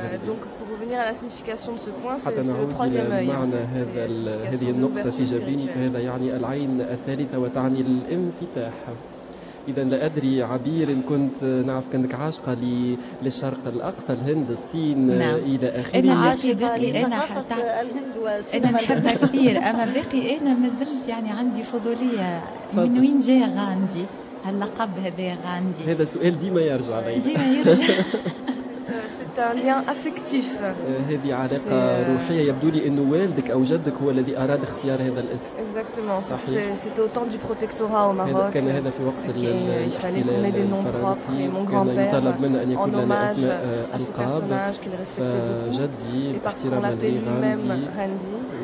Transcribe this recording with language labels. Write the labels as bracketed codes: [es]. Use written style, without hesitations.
[fr] Donc pour revenir à la signification de ce point, c'est le troisième œil. [ar] هذه النقطة في جبيني فهذا يعني العين الثالثة وتعني الانفتاح. إذن لا أدري عبير إن كنت نعرف كنك عاشقة للشرق الأقصى، الهند، الصين، نعم، إلى آخره. أنا عاشقة الهند والصين، أنا نحبها كثير. أما باقي أنا مازلت يعني عندي فضولية فضل. من وين جاي غاندي؟ هاللقب هذا غاندي؟ هذا سؤال ديما يرجع علينا، ديما يرجع. [fr] un lien affectif. [ar] هذه علاقة روحية. يبدو لي إنه والدك أو جدك هو الذي أراد اختيار هذا الاسم. [fr] Exactement. C'était au temps du protectorat au Maroc. [ar] كان هذا في وقت الاحتلال الفرنسي. [fr] Mon grand-père, en hommage à ce personnage qu'il respectait beaucoup. Et parce qu'on l'appelait lui-même Randy.